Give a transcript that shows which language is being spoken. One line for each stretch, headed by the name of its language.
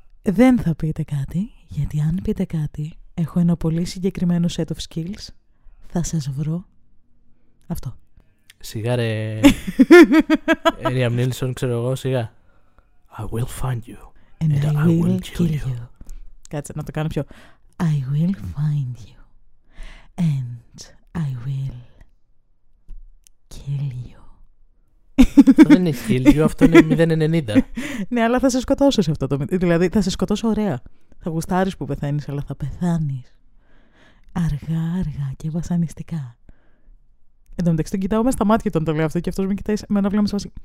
Greek: Δεν θα πείτε κάτι, γιατί αν πείτε κάτι, έχω ένα πολύ συγκεκριμένο
English: set of skills.
Greek: Θα σας βρω αυτό. Σιγά ρε, Liam Neeson, ξέρω εγώ, σιγά.
English: I will find you and I will kill you.
Greek: Κάτσε, να το κάνω πιο.
English: I will find you and I will kill you.
Greek: Αυτό δεν είναι
English: kill you,
Greek: αυτό είναι 090. Ναι, αλλά θα σε σκοτώσω σε αυτό το... Δηλαδή, θα σε σκοτώσω ωραία. Θα γουστάρεις που πεθαίνεις, αλλά θα πεθάνεις. Αργά, αργά και βασανιστικά. Εν τω μεταξύ, τον κοιτάω με στα μάτια τον το λέω αυτό και αυτός με κοιτάει με ένα βλέμμα σαν.